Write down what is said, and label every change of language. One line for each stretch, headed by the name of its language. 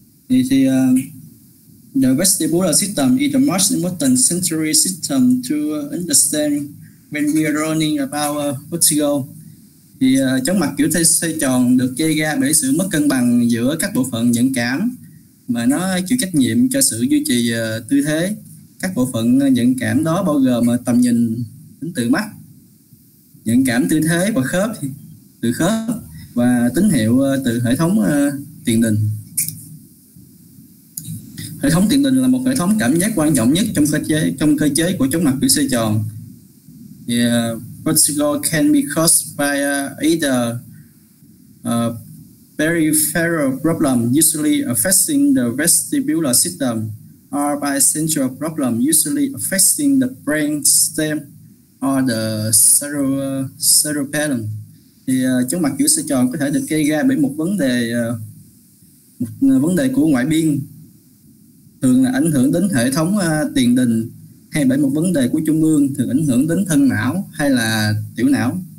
English: The vestibular system is the most important sensory system to understand when we are learning about vertigo.
Vietnamese: Chóng mặt kiểu xoay tròn được gây ra bởi sự mất cân bằng giữa các bộ phận nhận cảm mà nó chịu trách nhiệm cho sự duy trì tư thế. Các bộ phận nhận cảm đó bao gồm tầm nhìn tính từ mắt, nhận cảm tư thế và khớp từ khớp và tín hiệu từ hệ thống tiền đình. Hệ thống tiền đình là một hệ thống cảm giác quan trọng nhất trong cơ chế của chóng mặt kiểu xoay tròn.
English: Vertigo can be caused by either a peripheral problem, usually affecting the vestibular system, or by central problem, usually affecting the brain stem or the cerebellum.
Vietnamese: Chóng mặt kiểu xoay tròn có thể được gây ra bởi một vấn đề của ngoại biên, thường là ảnh hưởng đến hệ thống tiền đình, hay bởi một vấn đề của trung ương, thường ảnh hưởng đến thân não hay là tiểu não.